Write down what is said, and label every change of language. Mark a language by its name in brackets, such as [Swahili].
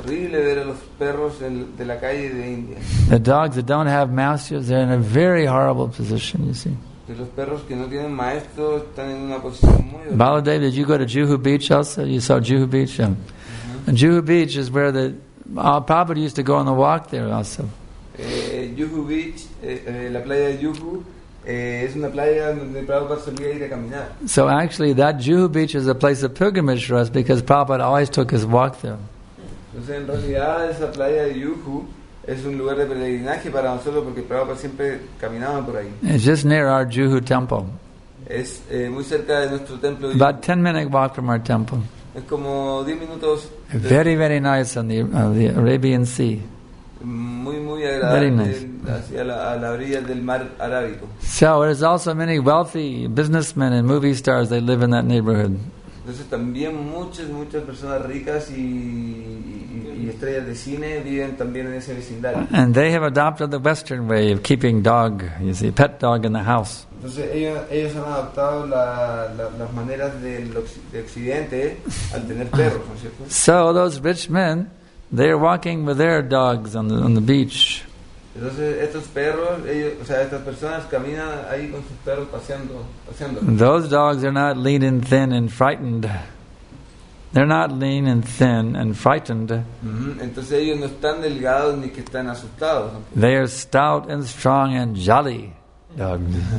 [English] The dogs that don't have masters, they're in a very horrible position, you see. Baladev, did you go to Juhu Beach also? You saw Juhu Beach? Yeah. And Juhu Beach is where Prabhupada used to go on the walk there also. [Spanish] Juhu Beach, la playa de Juhu, es una playa donde Prabhupada solía ir a caminar. [English] So actually that Juhu Beach is a place of pilgrimage for us because Prabhupada always took his walk there. [Spanish] Entonces en realidad esa playa de Juhu es un lugar de peregrinaje para nosotros porque Prabhupada siempre caminaba por ahí. [English] It's just near our Juhu temple. [Spanish] Es muy cerca de nuestro templo. [English] About 10-minute walk from our temple. [Spanish] Es como 10 minutos. [English] Very, very nice on the Arabian Sea. [Spanish] Muy, muy agradable. [English] Very nice. [Spanish] Hacia la orilla del mar arábico. [English] So there's also many wealthy businessmen and movie stars. They live in that neighborhood. [Spanish] Entonces también muchas personas ricas y estrellas de cine viven también en ese vecindario. [English] And they have adopted the Western way of keeping dog, you see, pet dog in the house. [Spanish] Entonces ellos han adoptado las maneras de Occidente al tener perros, ¿no es cierto? [English] So those rich men, they're walking with their dogs on the beach. [Spanish] Entonces estos perros, estas personas caminan ahí con sus perros paseando. [English] Those dogs are not lean and thin and frightened. They're not lean and thin and frightened. [Spanish] Entonces ellos no están delgados ni que están asustados. [English] They are stout and strong and jolly dogs.